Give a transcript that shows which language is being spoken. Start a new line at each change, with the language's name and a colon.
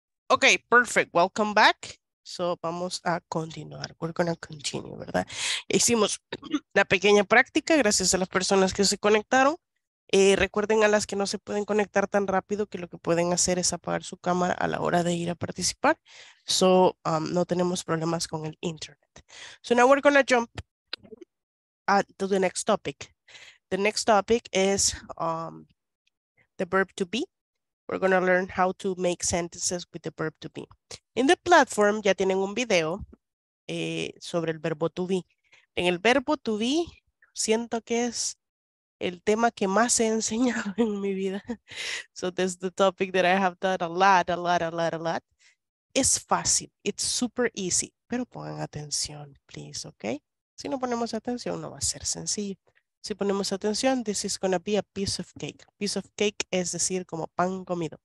English: Okay, perfect. Welcome back. So
Spanish: vamos a continuar.
English: We're going to continue,
Spanish: ¿verdad? Hicimos la pequeña práctica gracias a las personas que se conectaron. Recuerden a las que no se pueden conectar tan rápido que lo que pueden hacer es apagar su cámara a la hora de ir a participar. So no tenemos problemas con el internet.
English: So now we're going to jump to the next topic. The next topic is the verb to be. We're going to learn how to make sentences with the verb to be. In the platform, ya tienen un video sobre el verbo to be.
Spanish: En el verbo to be, siento que es el tema que más he enseñado en mi vida.
English: So this is the topic that I have done a lot. It's
Spanish: fácil.
English: It's super easy.
Spanish: Pero pongan atención,
English: please, okay?
Spanish: Si no ponemos atención, no va a ser sencillo. Si ponemos atención,
English: this is going to be a piece of cake. Piece of cake
Spanish: es decir como pan comido.